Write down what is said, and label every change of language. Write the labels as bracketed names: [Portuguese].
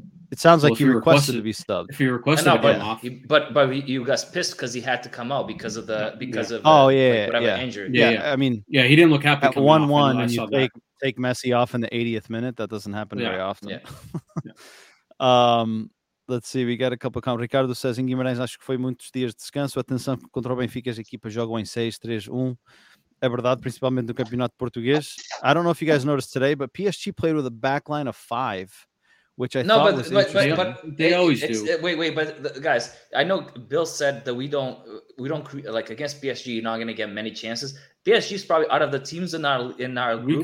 [English] It sounds like he requested to be subbed. If he requested to come off. But you got pissed because he had to come out because of the injury. Yeah, I mean, yeah, he didn't look happy. At 1-1, and you take Messi off in the 80th minute. That doesn't happen very often. Yeah. Let's see. We got a couple of comments. Ricardo says, [Portuguese] "Em Guimarães, acho que foi muitos dias de descanso. Atenção contra o Benfica, as equipas jogam em 6-3-1. É verdade, principalmente no Campeonato Português. [English] I don't know if you guys noticed today, but PSG played with a back line of 5. Which I thought was interesting. But they always do. Wait, but guys, I know Bill said that we don't like against PSG. You're not going to get many chances. PSG is probably out of the teams in our group.